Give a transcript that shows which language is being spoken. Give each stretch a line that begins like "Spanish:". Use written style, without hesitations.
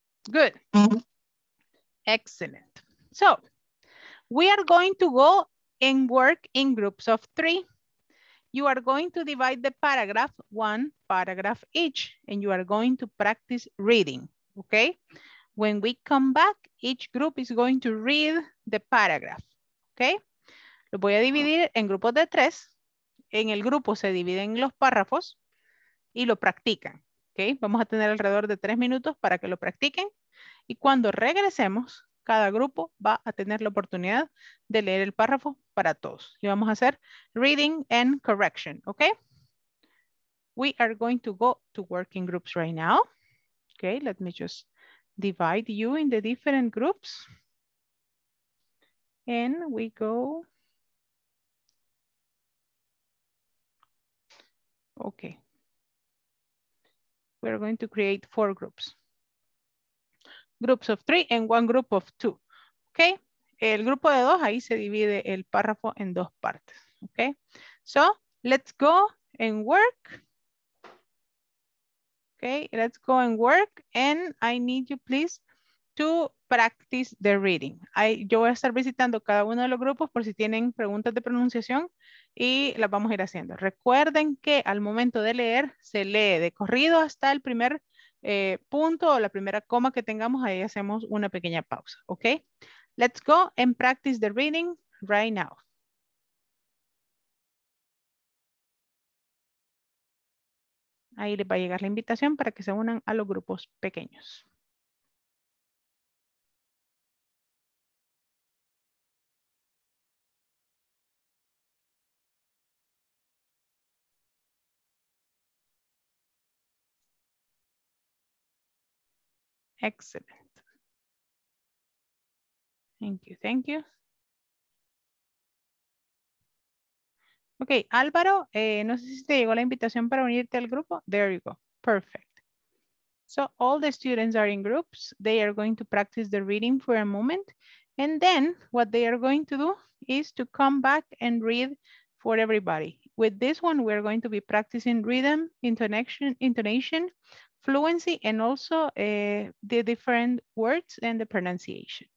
English: Good, excellent. So we are going to go and work in groups of three. You are going to divide the paragraph, one paragraph each, and you are going to practice reading, okay? When we come back, each group is going to read the paragraph, okay?
Spanish: Lo voy a dividir en grupos de tres. En el grupo se dividen los párrafos y lo practican, okay? Vamos a tener alrededor de 3 minutos para que lo practiquen. Y cuando regresemos, cada grupo va a tener la oportunidad de leer el párrafo para todos. Y vamos a hacer
English: reading and correction, okay? We are going to go to working groups right now. Okay, let me just divide you in the different groups. And we go. Okay. We're going to create 4 groups. Groups of 3 and 1 group of 2, okay?
Spanish: El grupo de 2, ahí se divide el párrafo en 2 partes, okay?
English: So, let's go and work. Okay, let's go and work, and I need you please to practice the reading.
Spanish: Yo voy a estar visitando cada uno de los grupos por si tienen preguntas de pronunciación y las vamos a ir haciendo. Recuerden que al momento de leer, se lee de corrido hasta el primer punto o la primera coma que tengamos, ahí hacemos una pequeña pausa, ¿ok?
English: Let's go and practice the reading right now.
Spanish: Ahí les va a llegar la invitación para que se unan a los grupos pequeños.
English: Excellent. Thank you, thank you.
Spanish: Okay, Álvaro, no sé si te llegó la invitación para unirte al grupo.
English: There you go, perfect. So all the students are in groups. They are going to practice the reading for a moment. And then what they are going to do is to come back and read for everybody. With this one, we're going to be practicing rhythm, intonation, fluency, and also the different words and the pronunciation.